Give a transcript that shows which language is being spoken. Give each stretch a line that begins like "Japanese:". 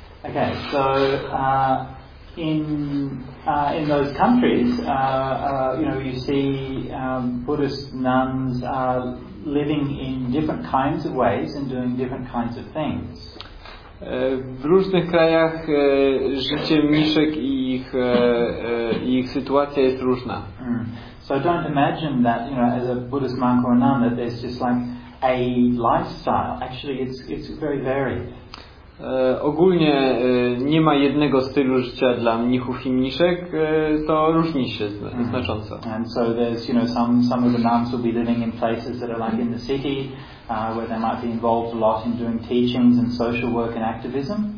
English: Okay, so in those countries, you see Buddhist nuns are living in different kinds of ways and doing different kinds of things.
Polish: W różnych krajach życie mniszek i ich sytuacja jest różna.
English: So don't imagine that, as a Buddhist monk or a nun, that there's just like a lifestyle. Actually, it's very varied.
Polish: Ogólnie nie ma jednego stylu życia dla mnichów i mniszek. To różni się znacząco.
English: And so there's, some of the nuns will be living in places that are like in the city, where they might be involved a lot in doing teachings and social work and activism.